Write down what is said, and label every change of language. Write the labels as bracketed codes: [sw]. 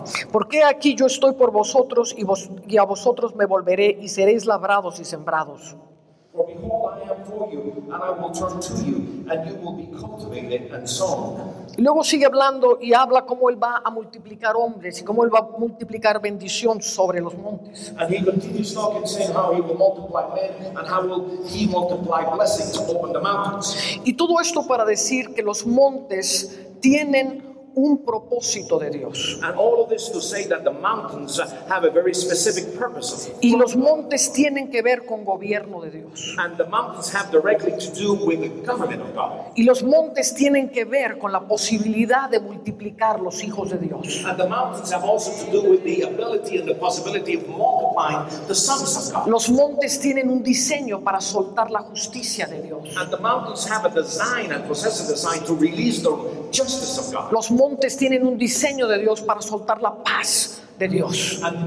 [es] Porque aquí yo estoy por vosotros y a vosotros me volveré y seréis labrados y sembrados. [en] For For behold, I am for you, and I will turn to you, and you will be cultivated and sown. [es] Y luego sigue hablando y habla cómo él va a multiplicar hombres y cómo él va a multiplicar bendición sobre los montes. [en] And he continues talking, saying how he will multiply men and how will he multiply blessings over the mountains. [es] Y todo esto para decir que los montes tienen un propósito de Dios. [en] And all of this to say that the mountains have a very specific purpose. [es] Y los montes tienen que ver con gobierno de Dios. [en] And the mountains have directly to do with the government of God. [es] Y los montes tienen que ver con la posibilidad de multiplicar los hijos de Dios. [en] And the mountains have also to do with the ability and the possibility of multiplying the sons of God. [es] Los montes tienen un diseño para soltar la justicia de Dios. [en] And the mountains have a design and possess a design to release the justice of God. [es] Los montes tienen un diseño de Dios para soltar la paz de Dios.